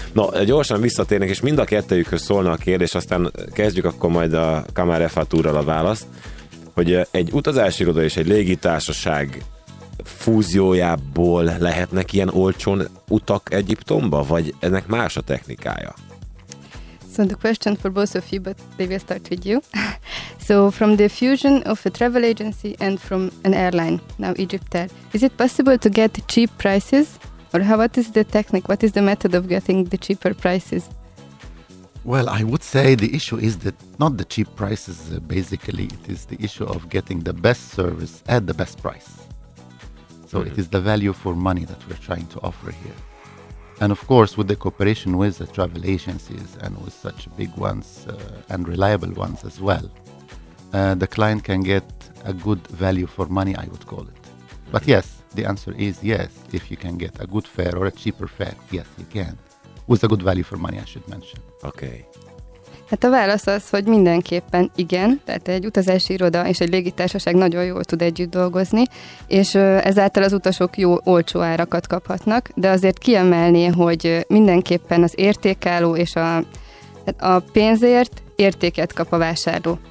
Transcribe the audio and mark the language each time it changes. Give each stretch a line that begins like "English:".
Hungarian: No, gyorsan visszatérnek, és mind a kettőjükhöz szólna a kérdés, aztán kezdjük akkor majd a Kamel Refátúrral a választ, hogy egy utazási iroda és egy légitársaság fúziójából lehetnek ilyen olcsón utak Egyiptomba, vagy ennek más a technikája?
English: So the question for both of you, but they will start with you. So from the fusion of a travel agency and from an airline, now Egyiptair, is it possible to get cheap prices? Or how, what is the technique? What is the method of getting the cheaper prices? Well, I would say the issue is that not the cheap prices, basically, it is the issue of getting the best service at the best price. So it is the value for money that we're trying to offer here. And of course, with the cooperation with the travel agencies and with such big ones and reliable ones as well, the client can get a good value for money, I would call it. But yes, the answer is yes. If you can get a good fare or a cheaper fare, yes, you can. With a good value for money, I should mention. Okay.
Hungarian: Hát a válasz az, hogy mindenképpen igen, tehát egy utazási iroda és egy légitársaság nagyon jól tud együtt dolgozni, és ezáltal az utasok jó, olcsó árakat kaphatnak, de azért kiemelni, hogy mindenképpen az értékálló és a pénzért értéket kap a vásárló.